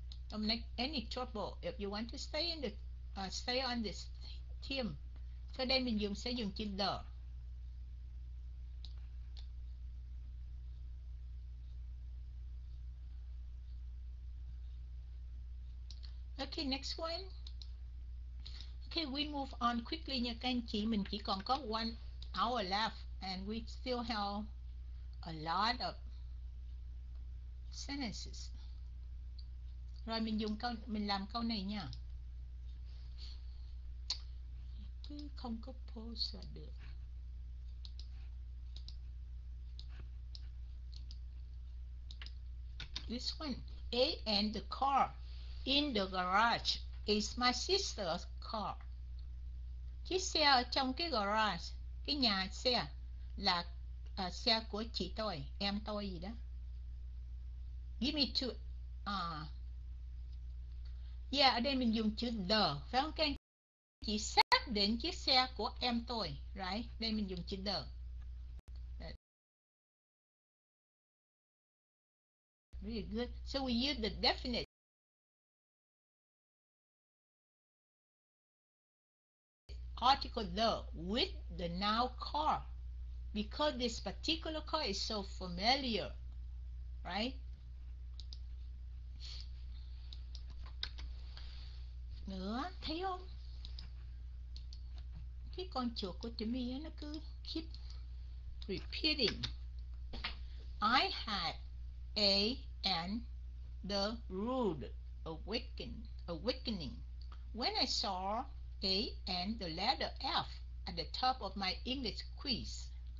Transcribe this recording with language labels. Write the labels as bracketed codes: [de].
[en] Don't make any trouble if you want to stay in the stay on this team. [vi] Cho đây mình dùng sẽ dùng chữ the. [en] Okay, next one. Okay, we move on quickly [vi] nha các anh chị. Mình chỉ còn có [en] 1 hour left and we still have a lot of sentences. [vi] Rồi mình dùng câu, mình làm câu này nha. Không có post là được. [en] This one, A and the car in the garage is my sister's car. [vi] Chiếc xe ở trong cái garage, cái nhà xe là xe của chị tôi, em tôi gì đó. [en] Give me two. [vi] Yeah, ở đây mình dùng chữ the, phải không? Okay. Chị xác định chiếc xe của em tôi, right? Đây mình dùng chữ the. [en] Really good. So we use the definite. Article the with the now car. Because this particular car is so familiar, right? [vi] Nữa, thấy không? Cái con chuột của chị My nó cứ [en] keep repeating. I had a and the rude awakening when I saw a and the letter F at the top of my English quiz.